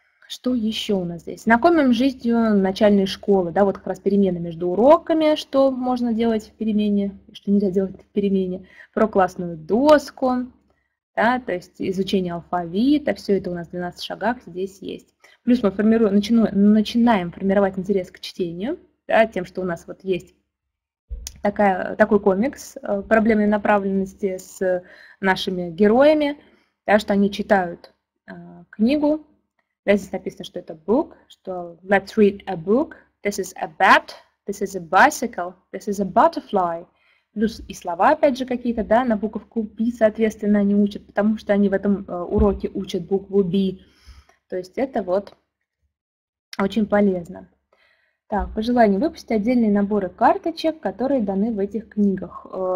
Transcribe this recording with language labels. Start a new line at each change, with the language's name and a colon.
Russian: Что еще у нас здесь? Знакомим с жизнью начальной школы, да, вот как раз перемены между уроками, что можно делать в перемене, что нельзя делать в перемене, про классную доску, да, то есть изучение алфавита, все это у нас в 12 шагах здесь есть. Плюс мы начинаем формировать интерес к чтению, да, тем, что у нас вот есть такой комикс проблемной направленности с нашими героями, да, что они читают книгу. Да, здесь написано, что это
English: book,
Russian: что
English: let's read a book, this is a bat, this is a bicycle, this is a butterfly.
Russian: Плюс и слова опять же какие-то, да, на буковку B, соответственно, они учат, потому что они в этом уроке учат букву B. То есть это вот очень полезно. Так, по желанию выпустить отдельные наборы карточек, которые даны в этих книгах.